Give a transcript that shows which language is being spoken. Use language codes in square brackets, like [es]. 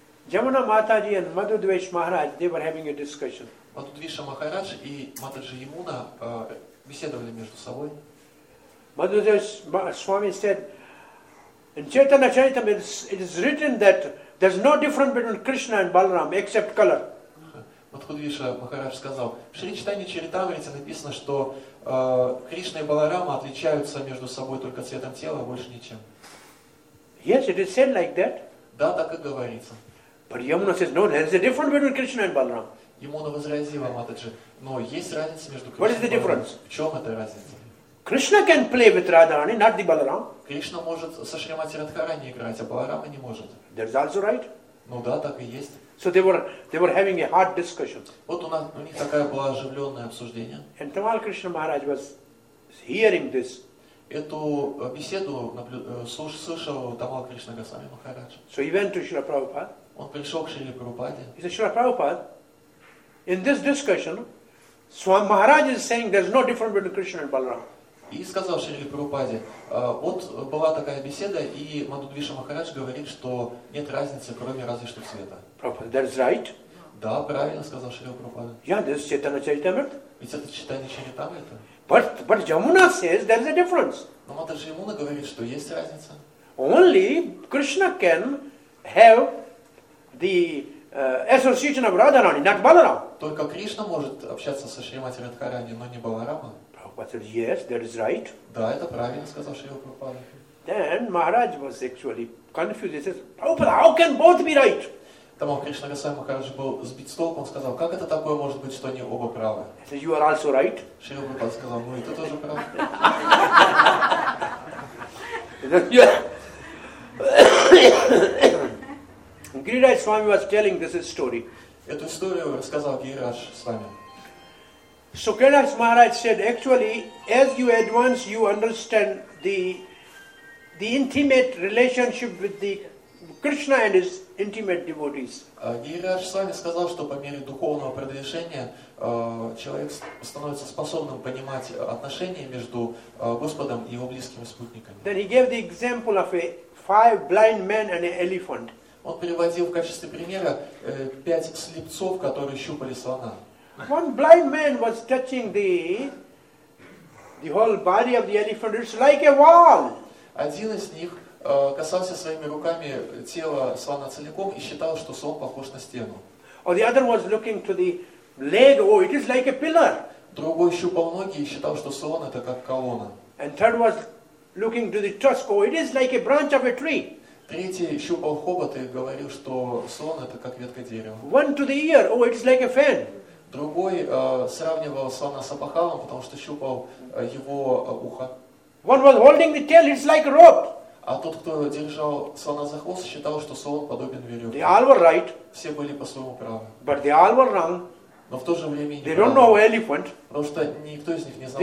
[en] Jamuna Mataji and Madhudvish Maharaj, they were having a discussion. [ru] Madhudvish Maharaj и Матаджи Ямуна беседовали между собой. [en] Madhudvish Swami said, in Chaitanya Charitamrita, it is written that there's no difference between Krishna and Balaram except color. [ru] Madhudvisha Maharaj сказал, в Шри Чайтанья Чаритамрите написано, что Кришна и Баларама отличаются между собой только цветом тела, больше ничем. [en] Yes, it is said like that. [ru] Да, так и говорится. [en] But Yamuna says, no, there's a difference between Krishna and Balaram. [ru] Yamuna возразила, Матаджи, но есть разница между Кришной. [en] What is the difference? [ru] В чем эта разница? [en] Krishna can play with Radharani, not the Balaram. [ru] Кришна может со Шримати Радхарани играть, а Баларама не может. [en] That's also right. [ru] Ну да, так и есть. [en] So they were having a hard discussion. [ru] Вот у них такое было оживленное обсуждение. [en] And Tamal Krishna Maharaj was hearing this. [ru] Эту беседу слышал Тамал Кришна Госвами Махарадж. [en] So he went to Шрила Прабхупада. [ru] Он пришел к Шриле Прабхупаде. [en] He said, Шрила Прабхупада, in this discussion, Swami Maharaj is saying there's no difference between Krishna and Balaram. [ru] И сказал Шри Прабхупаде, вот была такая беседа, и Мадхудвиша Махарадж говорит, что нет разницы, кроме разве что цвета. [en] Prabhupada, that's right. [ru] Да, правильно сказал Шри Прабхупада. [en] Yeah, this is Chaitanya Charitamrita. [ru] Ведь это Чайтанья Чаритамрита. [en] But Yamuna says there's a difference. [ru] Но Матаджи Ямуна говорит, что есть разница. [en] Only Krishna can have the association of Radharani, not Balarama. [ru] Только Кришна может общаться со Шримати Радхарани, но не Баларама. [en] Prabhupada said, yes, that is right. [ru] Да, это правильно сказал Шри Прабхупада. [en] Then Maharaj was actually confused. He says, Prabhupada, how can both be right? [ru] Тогда Кришна Госвами Махарадж был сбит с толку, он сказал, как это такое может быть, что они оба правы? [en] He said, you are also right. [ru] Шри Прабхупада сказал, ну и ты тоже прав. [en] Гирирадж Свами was telling this story. [ru] Эту историю рассказал Гирирадж Свами. [en] So Kailash Maharaj said, actually, as you advance, you understand the intimate relationship with the Krishna and his intimate devotees. [ru] Гирирадж Свами сказал, что по мере духовного продвижения человек становится способным понимать отношения между Господом и его близкими спутниками. [en] Then he gave the example of a five blind men and an elephant. [ru] Он приводил в качестве примера пять слепцов, которые щупали слона. [en] One blind man was touching the whole body of the elephant. It's like a wall. [ru] Один из них касался своими руками тела слона целиком и считал, что слон похож на стену. [en] Or the other was looking to the leg. Oh, it is like a pillar. [ru] Другой щупал ноги и считал, что слон это как колонна. [en] And third was looking to the tusk. Oh, it is like a branch of a tree. [ru] Третий щупал хобот и говорил, что слон это как ветка дерева. [en] One to the ear. Oh, it is like a fan. [ru] Другой сравнивал слона с опахалом, потому что щупал его ухо. [en] One was holding the tail, it's like a rope. [ru] А тот, кто держал слона за хвост, считал, что слон подобен веревке. [en] They all were right. [ru] Все были по-своему правы. [en] But they all were wrong. [ru] Но в то же время [en] they don't know elephant. [ru] Потому что никто из них не знал.